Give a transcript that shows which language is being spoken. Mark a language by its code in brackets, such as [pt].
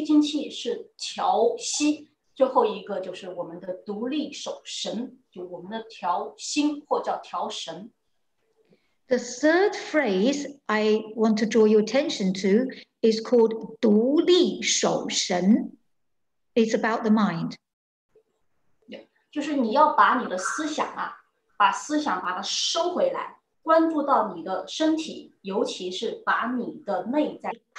[zh] 好，那么肌肉力是调身，呼吸精气是调息。最后一个就是我们的独立守神，就我们的调心或叫调神。 [en] The third phrase I want to draw your attention to is called 独立守神. It's about the mind. [zh] 就是你要把你的思想啊，把思想把它收回来，关注到你的身体，尤其是把你的内在。